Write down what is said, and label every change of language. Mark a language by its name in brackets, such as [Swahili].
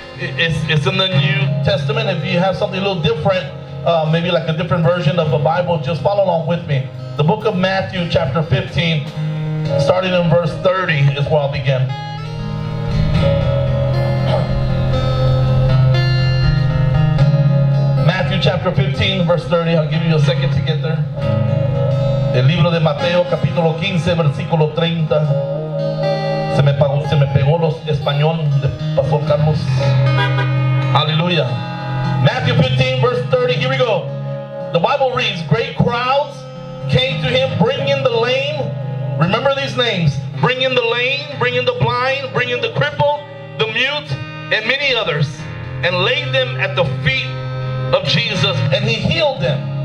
[English] It's in the New Testament. If you have something a little different, maybe like a different version of the Bible, just follow along with me. The book of Matthew chapter 15, starting in verse 30 is where I'll begin. Matthew chapter 15, verse 30. I'll give you a second to get there. [Spanish] El libro de Mateo, capítulo 15, versículo 30. Se me pegó los español de Pastor Carlos. [English] Hallelujah. Matthew 15, verse 30. Here we go. The Bible reads, great crowds came to him, bringing the lame. Remember these names. Bringing the lame, bringing the blind, bringing the crippled, the mute, and many others, and laid them at the feet of Jesus, and he healed them.